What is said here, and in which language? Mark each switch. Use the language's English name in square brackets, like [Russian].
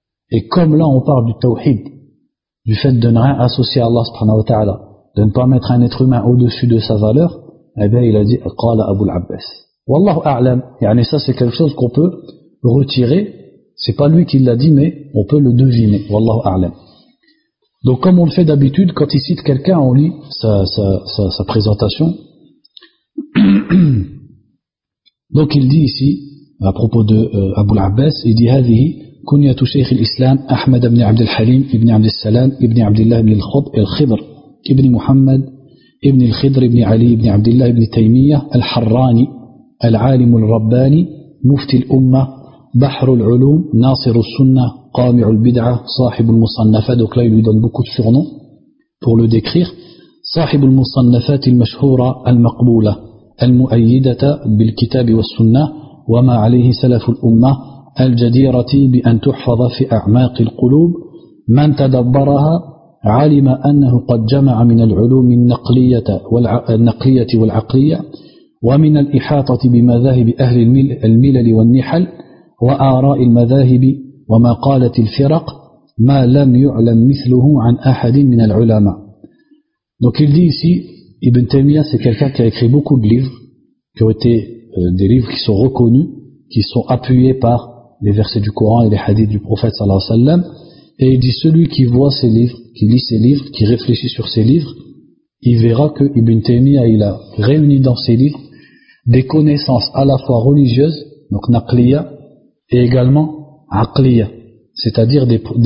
[French] Et comme là on parle du tawhid, du fait de ne rien associer à Allah subhanahu wa ta'ala, de ne pas mettre un être humain au-dessus de sa valeur, eh bien il a dit « [Arabic] Qala Abu al-Abbas ». [French] Wallahu a'lam, yani ça c'est quelque chose qu'on peut retirer, c'est pas lui qui l'a dit mais on peut le deviner, wallahu a'lam. Donc comme on le fait d'habitude, quand il cite quelqu'un, on lit sa présentation. [Arabic] Donc il dit ici, à propos de Abu al-Abbas, il dit « Hadhihi » كنية شيخ الإسلام أحمد بن عبد الحليم ابن عبد السلام ابن عبد الله بن الخضر ابن محمد ابن الخضر ابن علي ابن عبد الله ابن تيمية الحراني العالم الرباني مفتي الأمة بحر العلوم ناصر السنة قامع البدعة صاحب المصنفات [French] donc là il lui donne beaucoup de surnoms pour le décrire [Arabic] صاحب المصنفات المشهورة المقبولة المؤيدة بالكتاب والسنة وما عليه سلف الأمة الجديرة بأن تحفظ في أعماق القلوب من تدبرها علم أنه قد جمع من العلوم النقلية والعقلية ومن الإحاطة بمذاهب أهل الملل والنحل وآراء المذاهب وما قالت الفرق ما لم يعلم مثله عن أحد من العلماء. [French] Donc il dit ici, Ibn Taymiyyah c'est quelqu'un qui a écrit beaucoup de livres qui ont été des livres qui sont reconnus, qui sont appuyés par les versets du Coran et les hadiths du prophète sallallahu alayhi wa sallam, et il dit celui qui voit ses livres, qui lit ses livres, qui réfléchit sur ses livres, il verra que Ibn Taymiyyah il a réuni dans ses livres des connaissances à la fois religieuses, donc naqliya, et également aqliya, c'est-à-dire des